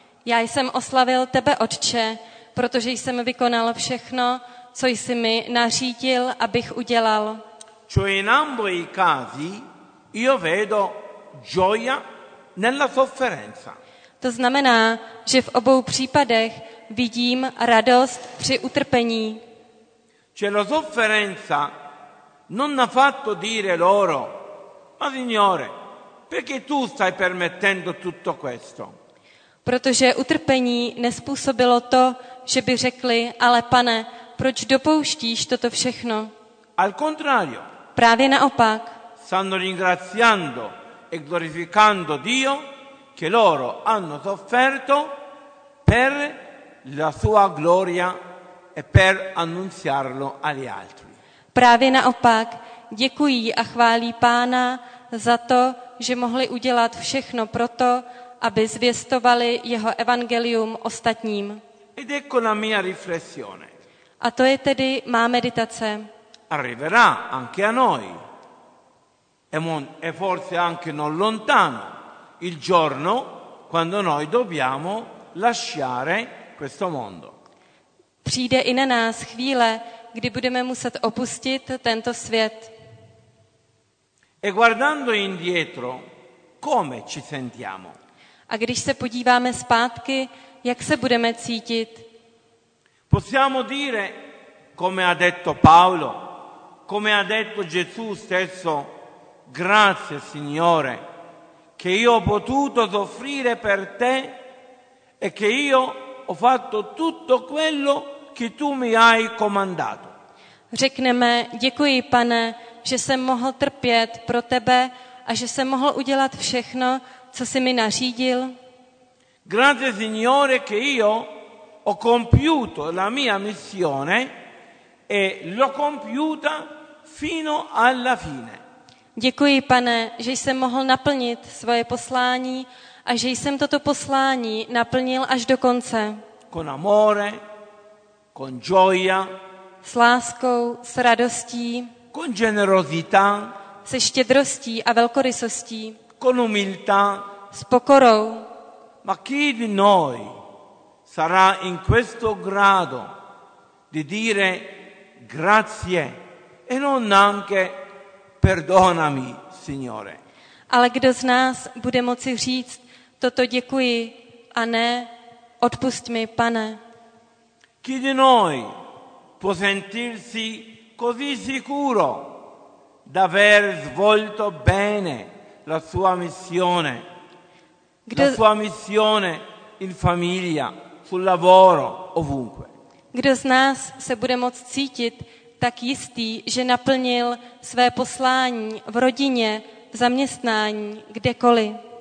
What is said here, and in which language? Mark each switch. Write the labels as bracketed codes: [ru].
[cs] Já jsem oslavil tebe, Otče, protože jsem vykonal všechno, co jsi mi nařídil, abych udělal. [it] Cioè in ambo i casi io vedo gioia nella sofferenza. [cs] To znamená, že v obou případech vidím radost při utrpení. [it] Cioè la sofferenza non ha fatto dire loro: "Ma Signore, perché tu stai permettendo tutto questo?" [cs] Protože utrpení nespůsobilo to, že by řekli: "Ale Pane, proč dopouštíš toto všechno?" [it] Al contrario. [cs] Právě naopak. [it] Stanno ringraziando e glorificando Dio che loro hanno sofferto per la sua gloria e per annunziarlo agli altri. [cs] Právě naopak, děkují a chválí Pána za to, že mohli udělat všechno proto, aby zvěstovali jeho evangelium ostatním. [it] Ed ecco la mia riflessione. [cs] A to je tedy má meditace. [it] Arriverà anche a noi. E forse anche non lontano il giorno quando noi dobbiamo lasciare questo mondo. [cs] Přijde i na nás chvíle, kdy budeme muset opustit tento svět. [it] E guardando indietro, come ci sentiamo? [cs] A když se podíváme zpátky, jak se budeme cítit? [it] Possiamo dire, come ha detto Paolo, come ha detto Gesù stesso: "Grazie, Signore, che io ho potuto soffrire per te e che io ho fatto tutto quello che tu mi hai comandato." [cs] Řekneme: "Děkuji, Pane, že jsem mohl trpět pro tebe a že jsem mohl udělat všechno, co jsi mi nařídil." [it] "Grazie, Signore, che io ho compiuto la mia missione e l'ho compiuta fino alla fine." [cs] Děkuji, Pane, že jsem mohl naplnit svoje poslání a že jsem toto poslání naplnil až do konce. [it] Con amore, con gioia. [cs] S láskou, s radostí. [it] Con generosità. [cs] Se štědrostí a velkorysostí. [it] Con umiltà. [cs] S pokorou. [it] Ma chi di noi sarà in questo grado di dire grazie e non anche perdonami, Signore? [cs] Ale kdo z nás bude moci říct toto děkuji a ne odpust mi, Pane? [it] Chi di noi può sentirsi così sicuro d'aver svolto bene la sua missione? La sua missione in famiglia, sul lavoro, ovunque. [cs] Kdo z nás se bude moct cítit tak jistý, že naplnil své poslání v rodině, v zaměstnání, kdekoliv?